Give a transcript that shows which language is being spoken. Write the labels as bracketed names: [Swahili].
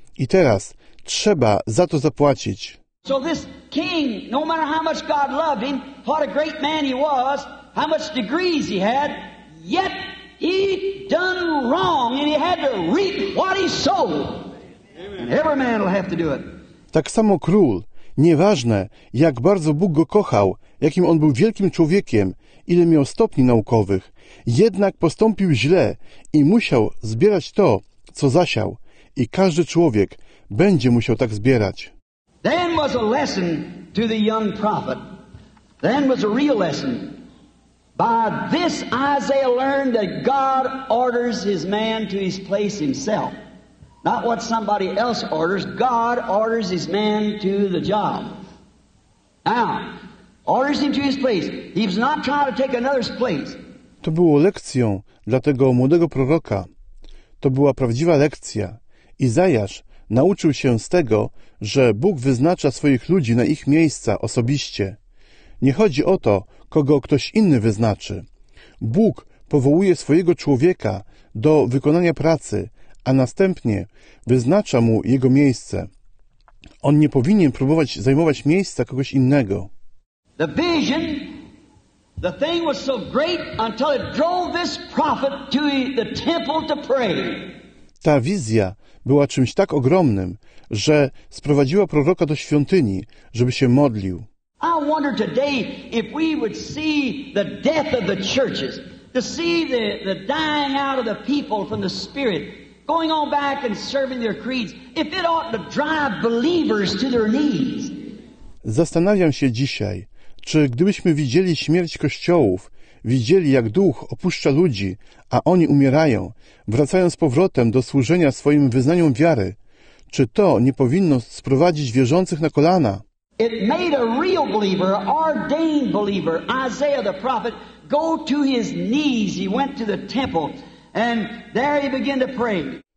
[Polish] I teraz trzeba za to zapłacić. [English] So this king, no matter how much God loved him, what a great man he was, how much degrees he had, yet he done wrong and he had to reap what he sowed. And every man will have to do it. [Polish] Tak samo król, nieważne, jak bardzo Bóg go kochał, jakim on był wielkim człowiekiem, ile miał stopni naukowych, jednak postąpił źle i musiał zbierać to, co zasiał. I każdy człowiek będzie musiał tak zbierać. [English] Then was a lesson to the young prophet. Then was a real lesson. By this Isaiah learned that God orders his man to his place himself. Not what somebody else orders. God orders his man to the job. Now, orders him to his place. He's not trying to take another's place. [Polish] To było lekcją dla tego młodego proroka. To była prawdziwa lekcja. Izajasz nauczył się z tego, że Bóg wyznacza swoich ludzi na ich miejsca osobiście. Nie chodzi o to, kogo ktoś inny wyznaczy. Bóg powołuje swojego człowieka do wykonania pracy, a następnie wyznacza mu jego miejsce. On nie powinien próbować zajmować miejsca kogoś innego. [English] The vision, the thing was so great until it drove this prophet to the temple to pray. [Polish] Ta wizja była czymś tak ogromnym, że sprowadziła proroka do świątyni, żeby się modlił. [English] I wonder today if we would see the death of the churches, to see the dying out of the people from the spirit, going on back and serving their creeds, if it ought to drive believers to their knees. [Polish] Zastanawiam się dzisiaj, czy gdybyśmy widzieli śmierć kościołów, widzieli, jak duch opuszcza ludzi, a oni umierają, wracając z powrotem do służenia swoim wyznaniom wiary, czy to nie powinno sprowadzić wierzących na kolana? [English] It made a real believer, ordained believer, Isaiah the prophet, go to his knees. He went to the temple and there he began to pray.